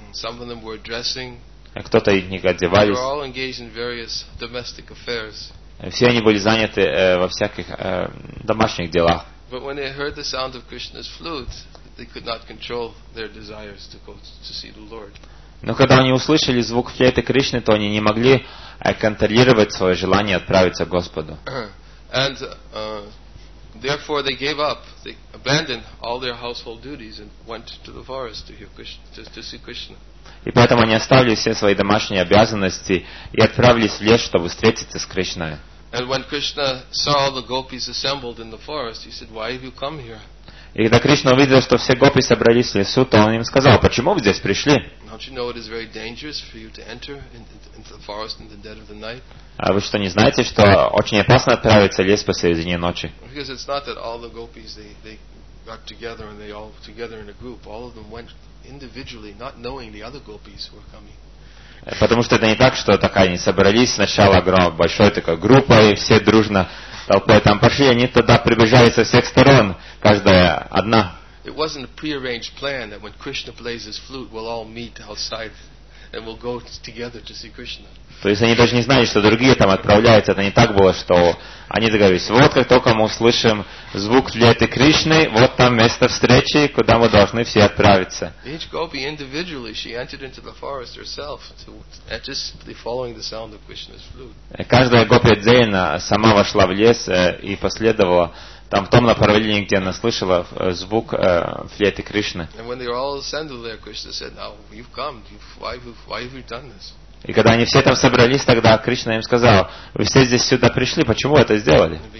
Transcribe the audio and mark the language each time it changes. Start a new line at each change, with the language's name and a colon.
English: Some of them were dressing.
Russian: Кто-то из них одевались.
English: They were all engaged in various domestic affairs.
Russian: Все они были заняты во всяких домашних делах.
English: But when they heard the sound of Krishna's flute, they could not control their desires to go to see the Lord.
Russian: Но когда они услышали звук флейты Кришны, то они не могли контролировать свое желание отправиться к Господу.
English: And therefore they gave up, they abandoned all their household duties and went to the forest to hear Krishna, to see Krishna.
Russian: И поэтому они оставили все свои домашние обязанности и отправились в лес, чтобы встретиться с Кришной.
English: And when Krishna saw all the gopis assembled in the forest, he said, "Why have you come here?"
Russian: И когда Кришна увидел, что все гопи собрались в лесу, то он им сказал: "Почему вы здесь пришли?"
English: Don't you know it is very dangerous for you to enter into the forest in the dead of the night?
Russian: А вы что, не знаете, что очень опасно отправиться в лес посередине ночи?
English: Because it's not that all the gopis they got together and they all together in a group. All of them went individually, not knowing the other gopis were coming.
Russian: Потому что это не так, что так они собрались сначала огромной большой такой группой, и все дружно толпой там пошли, они туда прибежали со всех сторон, каждая одна.
English: It wasn't a prearranged plan that when Krishna plays his flute, we'll all meet outside and we'll go together to see Krishna.
Russian: То есть они даже не знали, что другие там отправляются. Это не так было, что они договорились: вот как только мы услышим звук флейты Кришны, вот там место встречи, куда мы должны все отправиться.
English: Each gopi individually she entered into the forest herself, just following the sound of Krishna's flute.
Russian: Каждая гопи отдельно сама вошла в лес и последовала там в том направлении, где она слышала звук флейты Кришны.
English: And when they were all assembled there, Krishna said, "Now you've come. Why have you done this?"
Russian: И когда они все там собрались, тогда Кришна им сказал: "Вы все здесь сюда пришли, почему вы это сделали?"